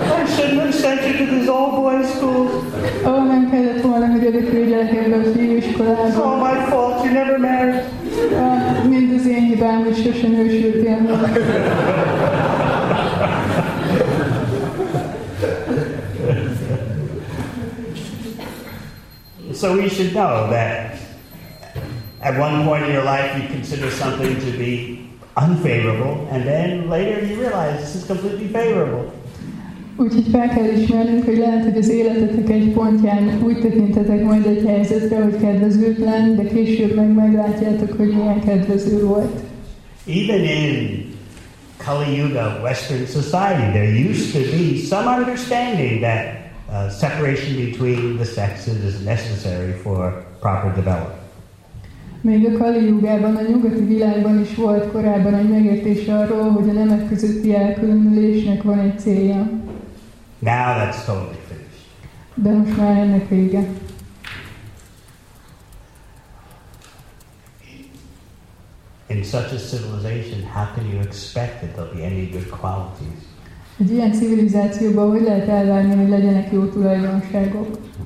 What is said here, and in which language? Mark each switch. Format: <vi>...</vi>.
<en>I shouldn't have sent you to this all-boys school.</en> <hu>Oh, nem kellett volna, hogy a bekülgyelek ebbe a fiú iskolába.</hu> <en>It's all my fault, you never married.</en> <hu>Mind az én hibám, hogy sose nősültél meg.</hu> <en>So we should know that at one point in your life you consider something to be unfavorable, and then later you realize this is completely favorable.</en> <hu>Úgyhogy fel kell ismernünk, hogy lehet, hogy az életetek egy pontján úgy tekintetek majd egy helyzetre, hogy kedvezőtlen, de később meg meglátjátok, hogy milyen kedvező volt.</hu> <en>Even in Kali Yuga Western society, there used to be some understanding that separation between the sexes is necessary for proper development.</en> <hu>Még a Kali Yugában, a nyugati világban is volt korábban egy megértés arról, hogy a nemek közötti elkülönülésnek van egy célja.</hu> <en>Now that's totally finished.</en> <hu>De most már ennek vége.</hu> <en>In such a civilization, how can you expect that there'll be any good qualities?</en> <hu>Egy ilyen civilizációban hogy lehet elvárni, hogy legyenek jó tulajdonságok?</hu>